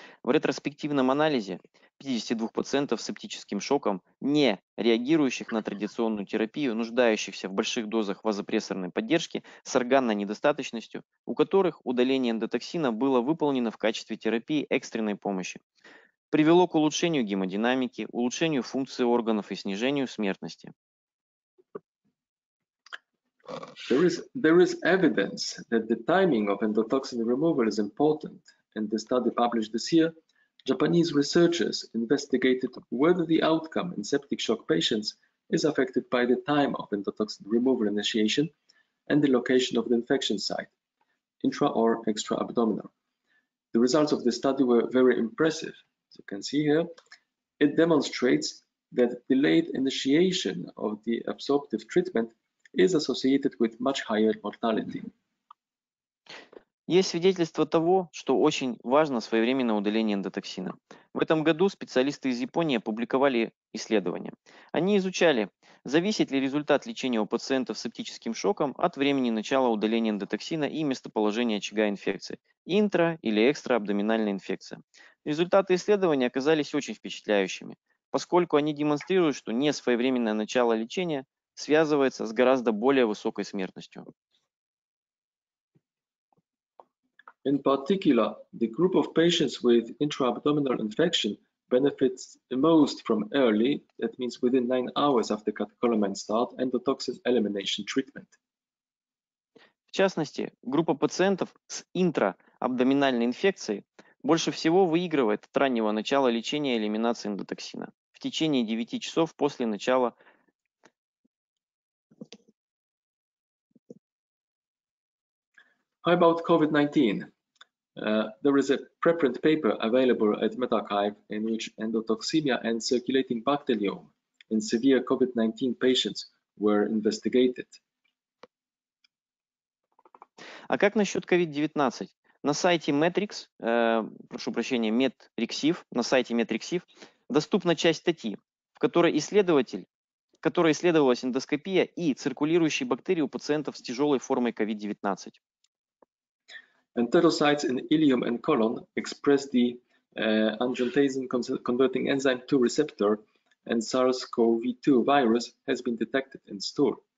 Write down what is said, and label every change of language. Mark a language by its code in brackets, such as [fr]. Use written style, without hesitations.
[ru] В ретроспективном анализе 52 пациентов с септическим шоком, не реагирующих на традиционную терапию, нуждающихся в больших дозах вазопрессорной поддержки с органной недостаточностью, у которых удаление эндотоксина было выполнено в качестве терапии экстренной помощи, привело к улучшению гемодинамики, улучшению функции органов и снижению смертности. [en] There is evidence that the timing of endotoxin removal is important. In the study published this year, Japanese researchers investigated whether the outcome in septic shock patients is affected by the time of endotoxin removal initiation and the location of the infection site, intra or extra abdominal. The results of the study were very impressive. As you can see here, it demonstrates that delayed initiation of the absorptive treatment is associated with much higher mortality. [ru] Есть свидетельство того, что очень важно своевременное удаление эндотоксина. В этом году специалисты из Японии опубликовали исследование. Они изучали, зависит ли результат лечения у пациентов с септическим шоком от времени начала удаления эндотоксина и местоположения очага инфекции, интра- или экстра-абдоминальная инфекция. Результаты исследования оказались очень впечатляющими, поскольку они демонстрируют, что не своевременное начало лечения связывается с гораздо более высокой смертностью. [en] In particular, the group of patients with intra-abdominal infection benefits most from early, that means within 9 hours after catecholamine start, endotoxin elimination treatment. [ru] В частности, группа пациентов с интра-абдоминальной инфекцией больше всего выигрывает от раннего начала лечения элиминации эндотоксина в течение 9 часов после начала [en] How about COVID-19? There is a preprint paper available at MedArchive in which endotoxemia and circulating bacterium in severe COVID-19 patients were investigated. [ru] А как насчет COVID-19? На сайте Medrxiv, доступна часть статьи, в которой исследовалась эндоскопия и циркулирующие бактерии у пациентов с тяжелой формой COVID-19. [en] Enterocytes in ileum and colon express the angiotensin converting enzyme 2 receptor and SARS-CoV-2 virus has been detected in stool.